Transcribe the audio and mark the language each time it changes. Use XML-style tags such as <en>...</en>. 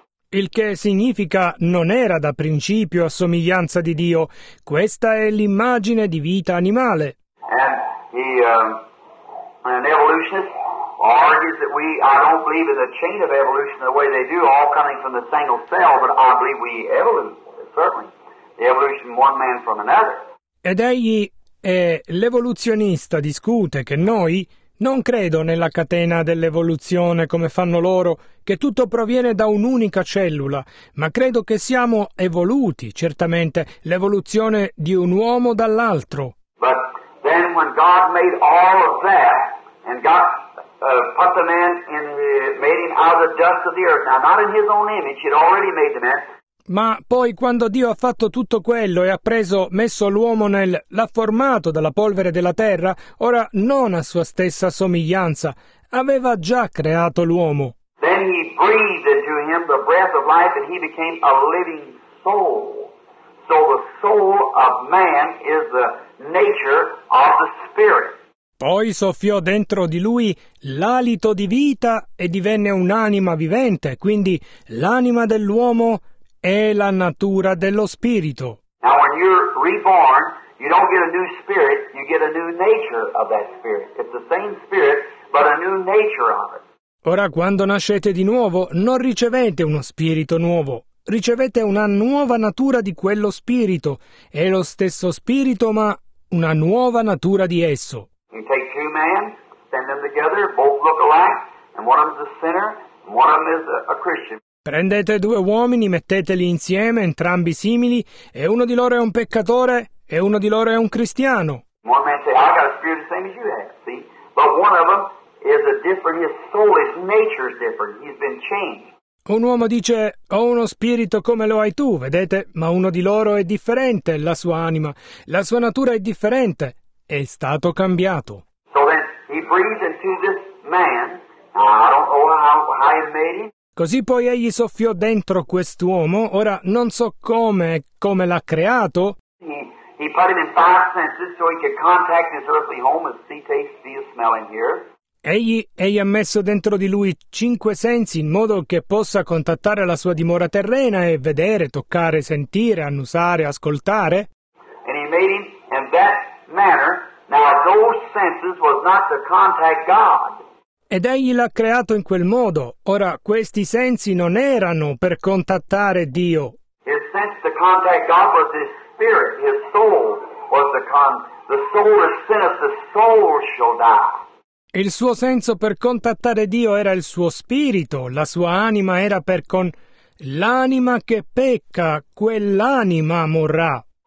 <it>Il che significa non era da principio a somiglianza di Dio, questa è l'immagine di vita animale.</it> <en>And he, an evolutionist. Or is it I don't believe in the chain of evolution the way they do, all coming from the single cell, but I believe we evolve, certainly. The evolution one man from another.</en> <it>Ed egli è l'evoluzionista, discute che noi non credo nella catena dell'evoluzione come fanno loro, che tutto proviene da un'unica cellula, ma credo che siamo evoluti, certamente, l'evoluzione di un uomo dall'altro.</it> <en>But then when God made all of that, and God put the man in, made him out of the dust of the earth. Now, not in his own image, he'd already made the man.</en> <it>Ma poi, quando Dio ha fatto tutto quello e ha messo l'uomo l'ha formato dalla polvere della terra, ora non a sua stessa somiglianza, aveva già creato l'uomo.</it> <en>Then he breathed into him the breath of life, and he became a living soul. So the soul of man is the nature of the spirit.</en> <it>Poi soffiò dentro di lui l'alito di vita e divenne un'anima vivente. Quindi l'anima dell'uomo è la natura dello spirito.</it> <en>Now when you're reborn, you don't get a new spirit, you get a new nature of that spirit. It's the same spirit, but a new nature of it.</en> <it>Ora, quando nascete di nuovo, non ricevete uno spirito nuovo. Ricevete una nuova natura di quello spirito. È lo stesso spirito, ma una nuova natura di esso.</it> <en>You take two men, stand them together, both look alike, and one of them is a sinner, and one of them is a Christian.</en> <it>Prendete due uomini, metteteli insieme, entrambi simili, e uno di loro è un peccatore, e uno di loro è un cristiano.</it> <en>One man say, I got a spirit the same as you have, see? But one of them is a different, his soul, his nature is different, he's been changed.</en> <it>Un uomo dice, ho uno spirito come lo hai tu, vedete? Ma uno di loro è differente, la sua anima, la sua natura è differente, è stato cambiato.</it> <en>So then he breathed into this man, I don't know how he made him.</en> <it>Così poi egli soffiò dentro quest'uomo, ora non so come l'ha creato.</it> <en>He put him in five senses so he could contact his earthly home and see, taste, feel, smell, and hear.</en> <it>Egli ha messo dentro di lui cinque sensi in modo che possa contattare la sua dimora terrena e vedere, toccare, sentire, annusare, ascoltare.</it> <en>And he made him in that manner. Now those senses was not to contact God.</en> <it>Ed egli l'ha creato in quel modo. Ora, questi sensi non erano per contattare Dio.</it> <en>His sense to contact God was his spirit, his soul was the soul is sinner, the soul shall die.</en> <it>Il suo senso per contattare Dio era il suo spirito, la sua anima era per con l'anima che pecca, quell'anima morrà.</it>